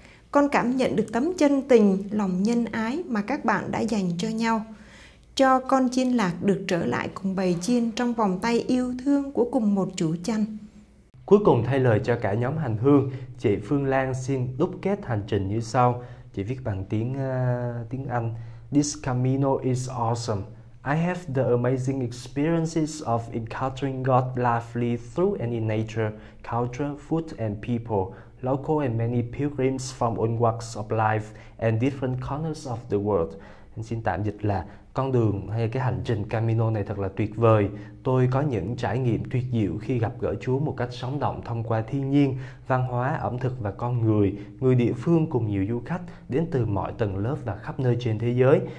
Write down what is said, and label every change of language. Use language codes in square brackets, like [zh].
[vi] Con cảm nhận được tấm chân tình, lòng nhân ái mà các bạn đã dành cho nhau. Cho con chiên lạc được trở lại cùng bầy chiên trong vòng tay yêu thương của cùng một chủ chăn. Cuối cùng thay lời cho cả nhóm hành hương, chị Phương Lan xin đúc kết hành trình như sau. Chị viết bằng tiếng Anh. [en] This Camino is awesome. I have the amazing experiences of encountering God lively through and in nature, culture, food and people, local and many pilgrims from all walks of life and different corners of the world. [vi] Anh xin tạm dịch là con đường hay cái hành trình Camino này thật là tuyệt vời. Tôi có những trải nghiệm tuyệt diệu khi gặp gỡ Chúa một cách sống động thông qua thiên nhiên, văn hóa, ẩm thực và con người, người địa phương cùng nhiều du khách đến từ mọi tầng lớp và khắp nơi trên thế giới.